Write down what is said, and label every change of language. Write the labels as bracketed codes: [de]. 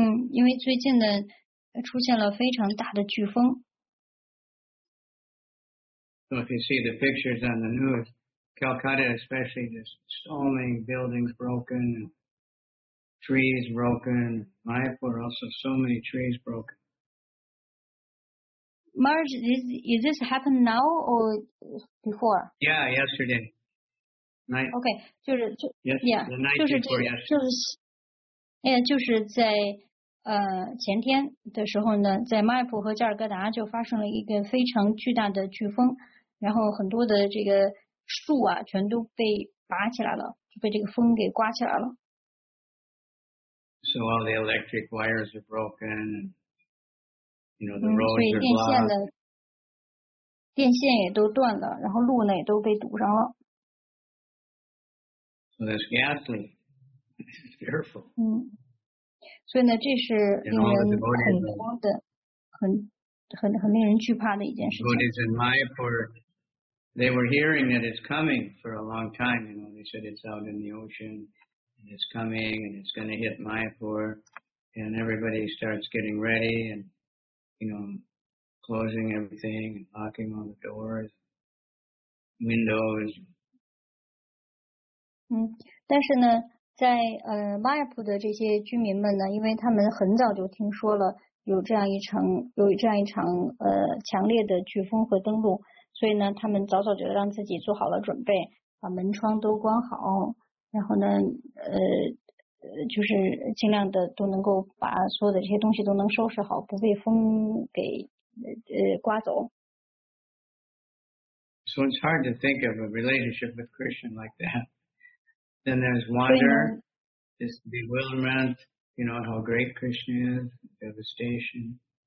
[zh] 因为最近呢出现了非常大的飓风。 [en] So if you see the pictures on the news,Calcutta especially, just so many buildings broken, trees broken. Mayapur also, so many trees broken. Marge, is this happen now or before? Yeah, yesterday. [zh] Okay, 就是就 [en] yesterday, yeah, the night [zh] 就是 [en] before yesterday. [zh] 就是在前天的时候呢，在 Mayapur 和加尔各答就发生了一个非常巨大的飓风，然后很多的这个树啊全都被拔起来了，就被这个风给刮起来了。 [en] So all the electric wires are broken, you know, the roads are blocked. [zh] 所以电线的电线也都断了，然后路呢也都被堵上了。 [en] So that's ghastly. It's fearful. [zh] 所以呢这是令人恐慌的，很令人惧怕的一件事情。 [en] Devotees in Mayapur,They were hearing that it's coming for a long time, you know. They said it's out in the ocean, and it's coming, and it's going to hit Mayapur. And everybody starts getting ready and, you know, closing everything and locking all the doors, windows. [zh] 但是呢，在Mayapur 的这些居民们呢，因为他们很早就听说了有这样一场强烈的飓风和登陆。所以呢他们早早就让自己做好了准备，把门窗都关好，然后呢就是尽量的都能够把所有的这些东西都能收拾好，不被风给刮走。 [en] So it's hard to think of a relationship with Krishna like that. Then there's wonder, this bewilderment, you know, how great Krishna is, devastation.